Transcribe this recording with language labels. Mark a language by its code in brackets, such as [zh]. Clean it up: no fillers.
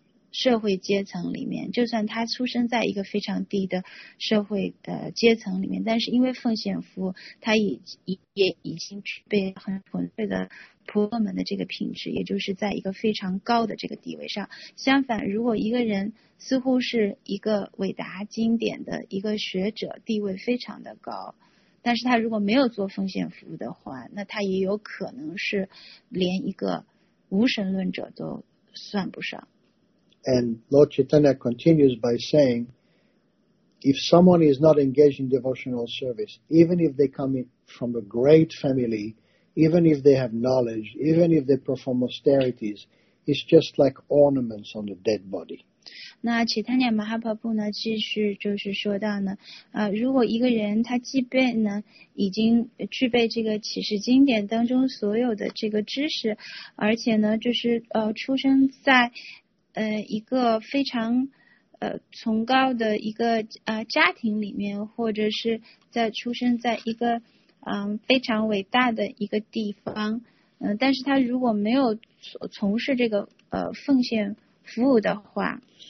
[zh] 社会阶层里面就算他出生在一个非常低的社会阶层里面但是因为奉献服务他也已经具备很纯粹的婆罗门的这个品质也就是在一个非常高的这个地位上相反如果一个人似乎是一个伟达经典的一个学者地位非常的高但是他如果没有做奉献服务的话那他也有可能是连一个无神论者都算不上 [en] And Lord Chaitanya continues by saying, if someone is not engaged in devotional service, even if they come in from a great family, even if they have knowledge, even if they perform austerities, it's just like ornaments on a dead body. [zh] 那 Chaitanya Mahaprabhu 呢继续就是说到呢如果一个人他即便呢已经具备这个启示经典当中所有的这个知识而且呢就是出生在一个非常崇高的一个家庭里面或者是在出生在一个非常伟大的一个地方但是他如果没有从事这个奉献服务的话